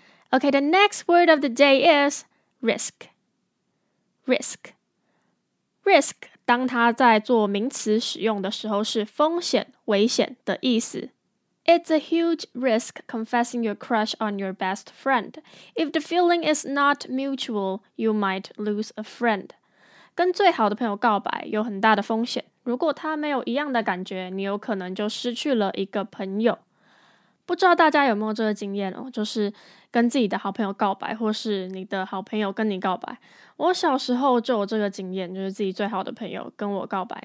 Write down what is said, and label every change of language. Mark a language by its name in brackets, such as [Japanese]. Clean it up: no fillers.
[English] Okay, the next word of the day is risk. Risk. [Chinese] Risk 当它在做名词使用的时候是风险、危险的意思。 [English] It's a huge risk confessing your crush on your best friend. If the feeling is not mutual, you might lose a friend. [Chinese] 跟最好的朋友告白有很大的风险。如果他没有一样的感觉，你有可能就失去了一个朋友。不知道大家有没有这个经验哦，就是跟自己的好朋友告白，或是你的好朋友跟你告白。我小时候就有这个经验，就是自己最好的朋友跟我告白。